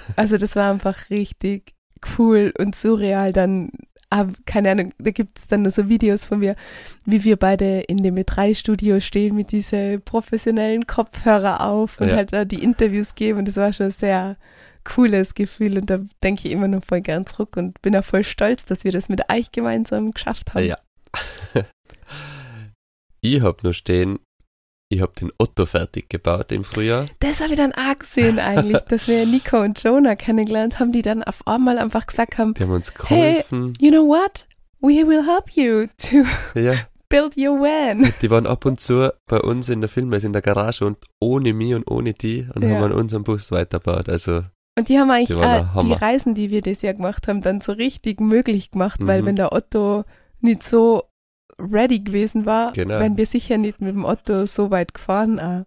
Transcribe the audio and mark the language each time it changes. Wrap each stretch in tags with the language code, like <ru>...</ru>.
<de>Also das war einfach richtig cool und surreal, dann keine Ahnung, da gibt es dann nur so Videos von mir, wie wir beide in dem E3-Studio stehen mit diesen professionellen Kopfhörer auf und halt da die Interviews geben und das war schon ein sehr cooles Gefühl und da denke ich immer noch voll gern zurück und bin auch voll stolz, dass wir das mit euch gemeinsam geschafft haben. Ja. Ich habe nur stehen, ich habe den Otto fertig gebaut im Frühjahr. Das habe ich dann auch gesehen eigentlich, dass wir Nico und Jonah kennengelernt haben, die dann auf einmal einfach gesagt haben, die haben uns geholfen.</de> <en>Hey, you know what? We will help you to build your van.</en> <de>Die waren ab und zu bei uns in der Filmmesse, in der Garage und ohne mich und ohne die und haben an unserem Bus weitergebaut. Also, und die haben eigentlich die Reisen, die wir das Jahr gemacht haben, dann so richtig möglich gemacht, weil wenn der Otto nicht so ready gewesen war, wären wir sicher nicht mit dem Otto so weit gefahren.</de>